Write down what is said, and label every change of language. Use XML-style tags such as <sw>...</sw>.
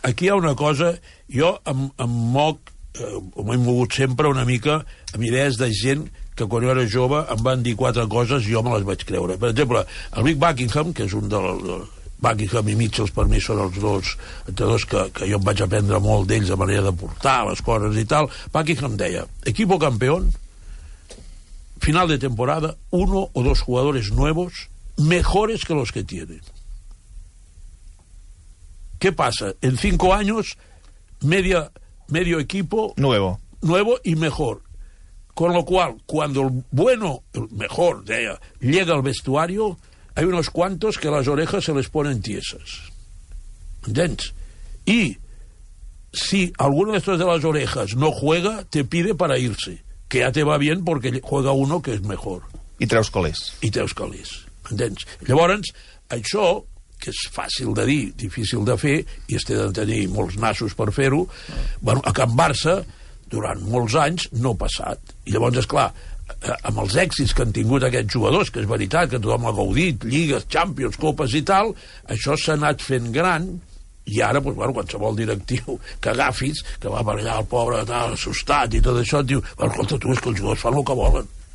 <ca>Aquí hi ha una cosa, jo em moc, m'he mogut sempre una mica amb idees de gent que quan jo era jove em van dir quatre coses i jo me les vaig creure. Per exemple, el Vic Buckingham, que és un dels... Buckingham i Mitchells, per mi, són els dos entrenadors que jo em vaig aprendre molt d'ells, de manera de portar les coses i tal.</ca> <es>Buckingham deia, equipo campeón, final de temporada, uno o dos jugadores nuevos, mejores que los que tienen. ¿Qué pasa? En cinco años, medio equipo... Nuevo y mejor. Con lo cual, cuando el bueno, el mejor, llega al vestuario, hay unos cuantos que las orejas se les ponen tiesas. ¿Entiendes? Y si alguno de estos de las orejas no juega, te pide para irse. Que ya te va bien porque juega uno que es mejor.</es> <ca>Y traus calés.</ca> <es>¿Entiendes?</es> <ca>Llavors, això, que és fàcil de dir, difícil de fer, i es té de tenir molts nassos per fer-ho, bueno, a Can Barça... durant molts anys no passat. I llavors, és clar, amb els èxits que han tingut aquests jugadors, que és veritat que tothom ha gaudit, lligues, Champions, copes i tal, això s'ha anat fent gran, i ara, doncs, bueno, qualsevol directiu que agafis, que va per allà el pobre tal, assustat i tot això, et diu, bueno, escolta, tu, és que els jugadors fan el que volen.</ca>